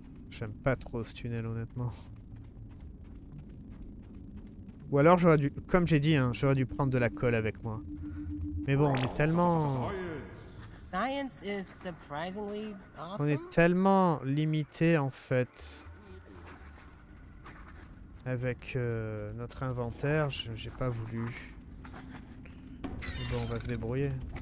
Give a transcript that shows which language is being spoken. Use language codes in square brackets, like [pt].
[fr] J'aime pas trop ce tunnel honnêtement. Ou alors j'aurais dû, comme j'ai dit, hein, j'aurais dû prendre de la colle avec moi. Mais bon, on est tellement... [en] Science is surprisingly awesome. [fr] On est tellement limité en fait avec notre inventaire, j'ai pas voulu. Bon, on va se débrouiller.